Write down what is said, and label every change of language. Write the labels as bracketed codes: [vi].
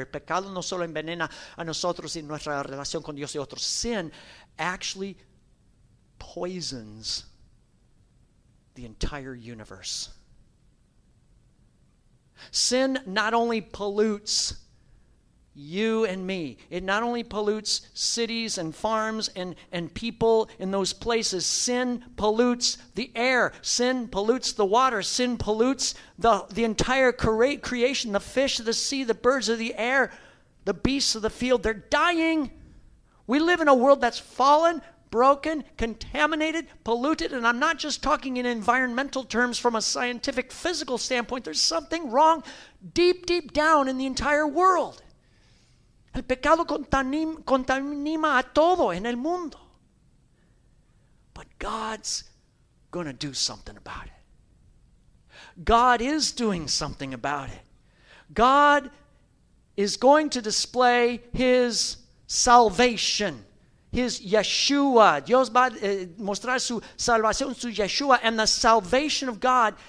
[es] El pecado no solo envenena a nosotros y nuestra relación con Dios y otros. [en] Sin actually poisons the entire universe. Sin not only pollutes you and me. It not only pollutes cities and farms and people in those places. Sin pollutes the air. Sin pollutes the water. Sin pollutes the entire creation, the fish of the sea, the birds of the air, the beasts of the field. They're dying. We live in a world that's fallen, broken, contaminated, polluted, and I'm not just talking in environmental terms from a scientific, physical standpoint. There's something wrong deep, deep down in the entire world. [es] El pecado contamina a todo en el mundo. [en] But God's going to do something about it. God is doing something about it. God is going to display his salvation, his Yeshua. [es] Dios va a mostrar su salvación, su Yeshua, [en] and the salvation of God.